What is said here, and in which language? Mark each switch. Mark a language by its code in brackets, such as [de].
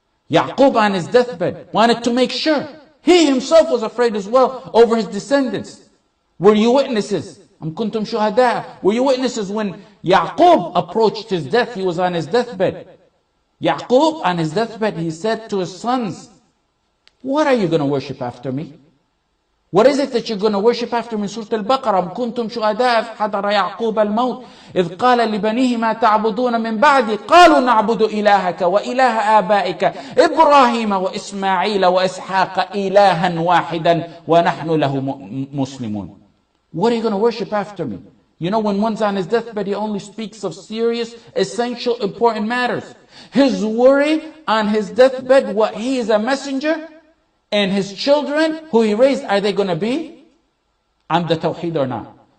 [en] Ya'qub on his deathbed wanted to make sure. He himself was afraid as well over his descendants. Were you witnesses? [ar] Am kuntum shuhada? [en] Were you witnesses when Ya'qub approached his death. He was on his deathbed. Ya'qub, on his deathbed, he said to his sons, what are you going to worship after me? What is it that you're going to worship after me? [ar] Surah Al-Baqarah, كُنْتُمْ شُهَدَاءَ إِذْ حَضَرَ يَعْقُوبَ الْمَوْتِ إِذْ قَالَ لِبَنِيهِ مَا تَعْبُدُونَ مِنْ بَعْدِي قَالُوا نَعْبُدُ إِلَهَكَ وَإِلَهَ آبَائِكَ إِبْرَاهِيمَ وَإِسْمَاعِيلَ وَإِسْحَاقَ إِلَهًا وَاحِدًا وَنَحْنُ لَهُ مُسْلِمُونَ. [en] What are you going to worship after me? You know, when one's on his deathbed, he only speaks of serious, essential, important matters. His worry on his deathbed, what he is a messenger, and his children, who he raised, are they going to be on the Tawheed or not?